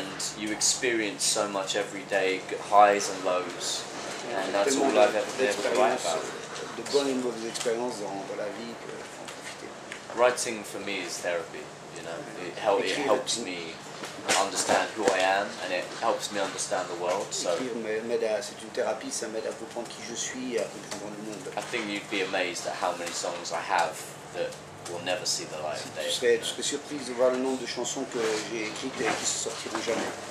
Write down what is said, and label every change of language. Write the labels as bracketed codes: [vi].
[en] And you experience so much every day, highs and lows, and that's all I've ever been able to write about. [fr] De bonnes et mauvaises expériences dans la vie, pour en profiter. [en] Writing for me is therapy. You know, it helps me understand who I am, and it helps me understand the world. So, [fr] c'est une thérapie, ça m'aide à comprendre qui je suis et à comprendre le monde. [en] I think you'd be amazed at how many songs I have that will never see the light of day. [fr] Tu serais surprise de voir le nombre de chansons que j'ai écrites et qui se sortiront jamais.